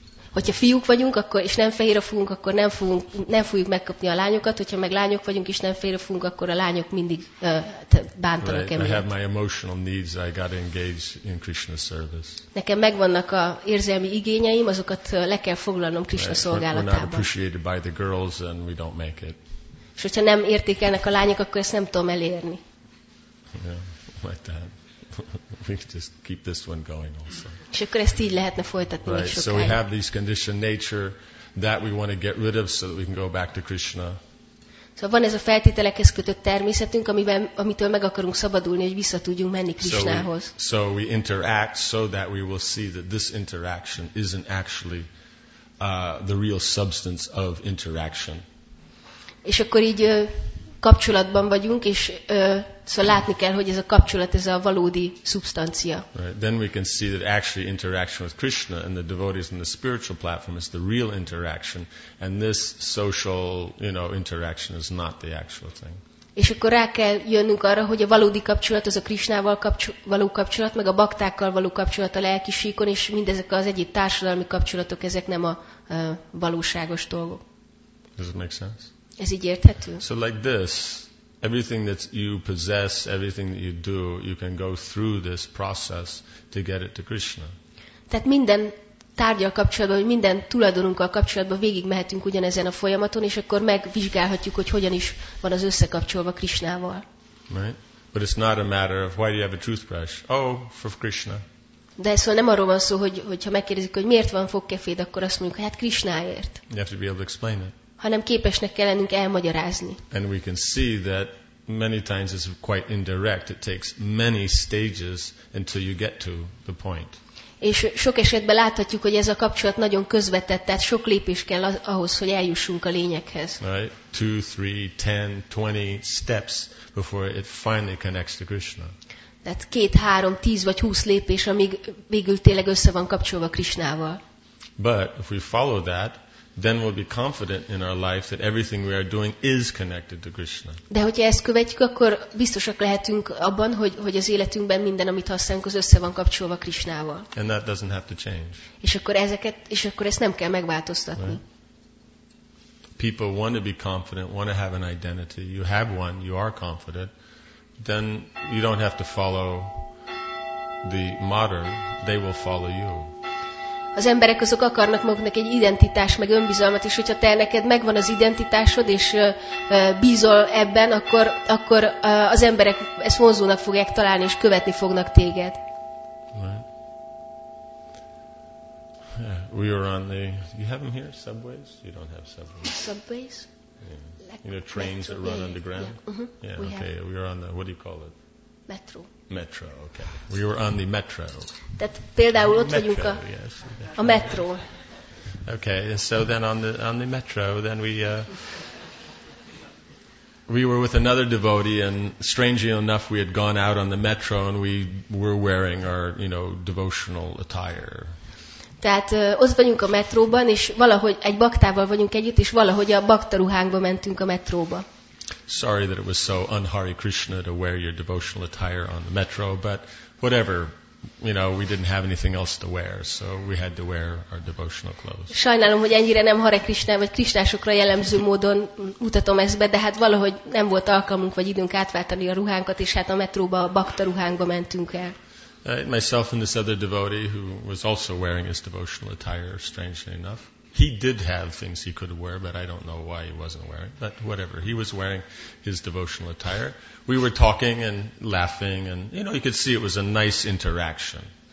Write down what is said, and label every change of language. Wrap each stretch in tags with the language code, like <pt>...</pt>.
<hu>Hogyha fiúk vagyunk, akkor és nem fehér a fogunk, akkor nem fogjuk megkapni a lányokat. Hogyha meg lányok vagyunk és nem fehér a fogunk, akkor a lányok mindig bántanak</hu> <en>right. I have my emotional needs. I got to engage in Krishna service.</en> <hu>Nekem megvannak a érzelmi igényeim, azokat le kell foglalnom Krishna</hu> <en>right.</en> <hu>szolgálatában.</hu> <en>We're not appreciated by the girls and we don't make it.</en> <hu>És hogyha nem értékelnek a lányok, akkor ezt nem tudom elérni.</hu> <en>Yeah, like that. We just keep this one going also.</en> <hu>És akkor ezt így lehetne folytatni</hu> <en>right.</en> <hu>sokáig.</hu> <en>So we have this conditioned nature that we want to get rid of so that we can go back to Krishna.</en> <hu>Szóval van ez a feltételekhez kötött természetünk, amitől meg akarunk szabadulni, hogy vissza tudjunk menni Krishnához.</hu> <en>So we interact so that we will see that this interaction isn't actually the real substance of interaction.</en> <hu>És akkor így kapcsolatban vagyunk, és szóval látni kell, hogy ez a kapcsolat, ez a valódi szubstancia.</hu> <en>Right. Then we can see that actually interaction with Krishna and the devotees in the spiritual platform is the real interaction, and this social, you know, interaction is not the actual thing.</en> <hu>És akkor rá kell jönnünk arra, hogy a valódi kapcsolat az a Krisnával való kapcsolat, meg a baktákkal való kapcsolat a lelki síkon, és mindezek az egyéb társadalmi kapcsolatok, ezek nem a valóságos dolgok.</hu> <en>Does it make sense?</en> <hu>Ez így érthető?</hu> <en>So like this, everything that you possess, everything that you do, you can go through this process to get it to Krishna.</en> <hu>Tehát minden tárgyal kapcsolatban, vagy minden tulajdonunkkal kapcsolatban végig mehetünk ugyanezen a folyamaton, és akkor megvizsgálhatjuk, hogy hogyan is van az összekapcsolva Krishnával.</hu> <en>Right? But it's not a matter of why do you have a toothbrush? Oh, for Krishna.</en> <hu>De ez szóval nem arról van szó, hogyha megkérdezik, hogy miért van fogkeféd, akkor azt mondjuk, hát Krishnáért.</hu> <en>You have to be able to explain it.</en> <hu>Hanem képesnek kell lennünk elmagyarázni.</hu> <en>And we can see that many times it's quite indirect. It takes many stages until you get to the point.</en> <hu>És sok esetben láthatjuk, hogy ez a kapcsolat nagyon közvetett, tehát sok lépés kell ahhoz, hogy eljussunk a lényeghez.</hu> <en>Right? 2, 3, 10, 20 steps before it finally connects to Krishna.</en> <hu>Tehát 2, 3, 10 vagy 20 lépés, amíg végül tényleg össze van kapcsolva Krishnával.</hu> <en>But if we follow that, then we'll be confident in our life that everything we are doing is connected to Krishna.</en> <hu>De hogyha ezt követjük, akkor biztosak lehetünk abban, hogy az életünkben minden, amit használunk, az össze van kapcsolva Krishnával.</hu> <en>And that doesn't have to change.</en> <hu>És akkor ezt nem kell megváltoztatni.</hu> <en>Right? People want to be confident, want to have an identity. You have one, you are confident. Then you don't have to follow the modern, they will follow you.</en> <hu>Az emberek azok akarnak maguknak egy identitást, meg önbizalmat, és hogyha te neked megvan az identitásod, és bízol ebben, akkor az emberek ezt vonzónak fogják találni, és követni fognak téged.</hu> <en>Right. Yeah, we were on the... You have them here, subways? You don't have subways. Subways? Yeah. You know, trains that run underground? Yeah, uh-huh. Yeah, okay, we are on the... What do you call it? Metro. Metro, okay. We were on the metro.</en> <hu>Tehát például ott vagyunk a metro.</hu> <en>Okay, and so then on the metro, then we were with another devotee, and strangely enough, we had gone out on the metro, and we were wearing our, you know, devotional attire.</en> <hu>Tehát ott vagyunk a metróban, és valahogy egy baktával vagyunk együtt, és valahogy a bakta ruhánkba mentünk a metróba.</hu> <en>Sorry that it was so un-Hari Krishna to wear your devotional attire on the metro, but whatever, you know, we didn't have anything else to wear, so we had to wear our devotional clothes.</en> <hu>Sajnálom, hogy ennyire nem Hari Krishna vagy Krisnásokra jellemző módon mutatom ezt be, de hát valahogy nem volt alkalmunk vagy időnk átváltani a ruhánkat, és hát a metróba, a bakta ruhánkba mentünk el.</hu> <en>Myself and this other devotee, who was also wearing his devotional attire, strangely enough, he did have things he could wear, but I don't know why he wasn't wearing. But whatever, he was wearing his devotional attire. We were talking and laughing, and you know, you could see it was a nice interaction.</en>